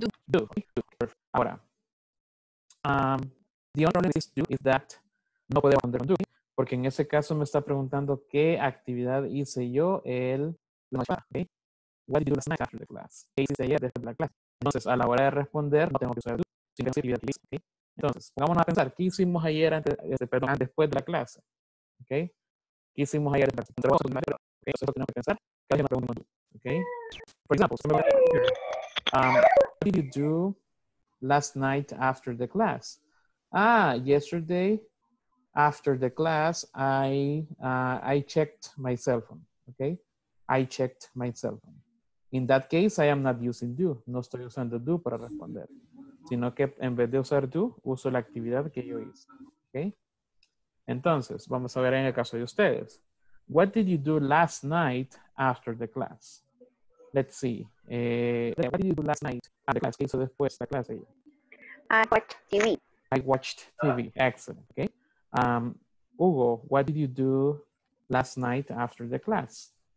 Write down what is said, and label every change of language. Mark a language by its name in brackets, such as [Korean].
[English] Do. [Spanish] Ahora, [English] the only problem is do is that [Spanish] no puede responder con do, porque en ese caso me está preguntando qué actividad hice yo el lunes. Okay. [English] What did you do last night after the class? [Spanish] ¿Qué hice ayer después de la clase? Entonces, a la hora de responder, no tengo que usar do, sino que actividad hice. Okay. Entonces, vamos a pensar, ¿qué hicimos ayer después de la clase? Okay. ¿Qué hicimos ayer después de la clase? Okay. Entonces, eso tenemos que pensar, que alguien me pregunta con do. [English] Okay. For example, what did you do last night after the class? Yesterday after the class, I checked my cell phone. Okay. I checked my cell phone. In that case, I am not using do. [Spanish] No estoy usando do para responder. Sino que en vez de usar do, uso la actividad que yo hice. Okay. Entonces, vamos a ver en el caso de ustedes. [English] What did you do last night after the class? Let's see. What did you do last night at the class? [Spanish] ¿Qué hizo después de la clase? [English] I watched TV. Excellent. Okay. Hugo, what did you do last night after the class?